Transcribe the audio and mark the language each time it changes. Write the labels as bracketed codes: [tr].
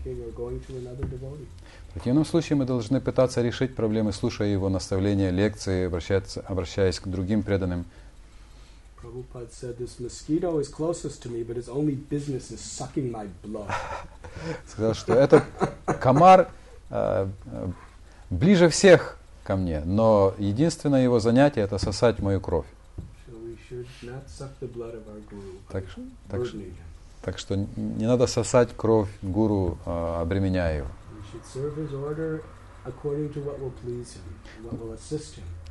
[ru] В противном случае мы должны пытаться решить проблемы, слушая его наставления, лекции, обращаясь к другим преданным. [en] Prabhupada said, this mosquito is closest to me, but its only business is sucking my blood. [ru] Сказал, что этот комар ближе всех ко мне, но единственное его занятие — это сосать мою кровь. [en] So we should not suck the blood of our guru. [ru] Так что не надо сосать кровь гуру, обременяя его. [en] We should serve his order according to what will please him, what will assist him.